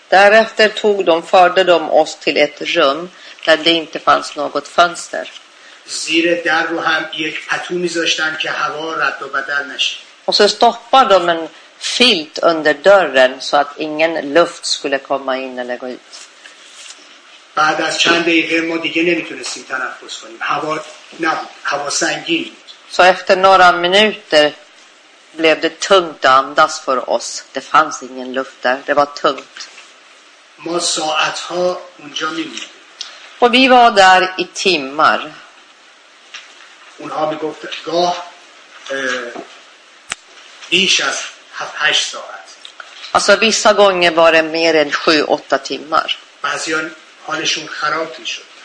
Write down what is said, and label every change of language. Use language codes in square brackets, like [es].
[sv] Därefter tog de förde de oss till ett rum där det inte fanns något fönster. [fa] Zire dar ro ham yek patu mizashtan ke hava radd o badal nashe. [sv] Och så stoppade de en filt under dörren så att ingen luft skulle komma in eller gå ut. [fa] بعد از چند دقیقه ما دیگه نمیتونستیم تنفس کنیم. هوا نبود. هوا سنگین بود. [sv] Så efter några minuter blev det tungt att andas för oss. Det fanns ingen luft där. Det var tungt. [fa] ما ساعت‌ها اونجا می‌موندیم. [sv] Och vi var där i timmar. [fa] اونها میگفت گاه بیش از 7-8 ساعت. [sv] Alltså vissa gånger var det mer än 7-8 timmar. [fa] بعضیان حالشون خراب می‌شد.